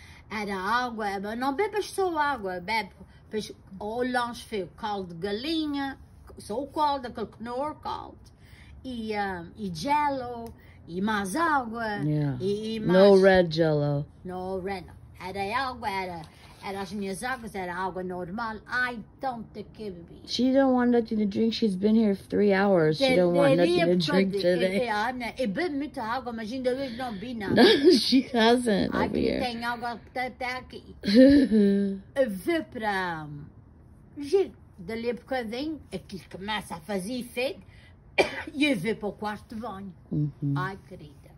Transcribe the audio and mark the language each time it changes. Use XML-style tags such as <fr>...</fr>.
<pt>Era água, mas não bebas só água, bebe. Depois, o lanche foi o caldo de galinha, só o caldo, aquele Knorr caldo, e jello, e mais água, e mais...</pt> <en>No red jello. No red,</en> <pt>era água, era as minhas águas, era água normal.</pt> <en>I don't care, baby. She don't want nothing to drink, she's been here 3 hours, she don't want nothing to drink today.</en> <pt>Eu bebo muita água, mas ainda hoje não bebi nada.</pt> <en>She hasn't, baby.</en> <pt>Aqui tem água até aqui. Eu vou para... Dali a bocadinho, aquilo começa a fazer efeito, e eu vou para o quarto de banho. Ai, querida.</pt>